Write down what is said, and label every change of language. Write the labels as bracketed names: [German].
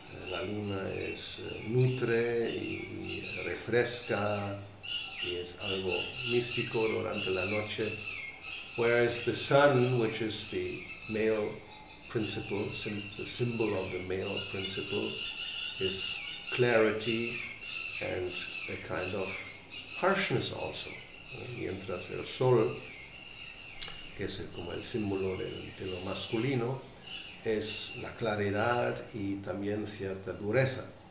[Spanish] La luna es nutre y refresca, y es algo místico durante la noche. [English] Whereas the sun, which is the male principle, the symbol of the male principle, is clarity and a kind of harshness also. [Spanish] Mientras el sol, que es como el símbolo de lo masculino, es la claridad y también cierta dureza.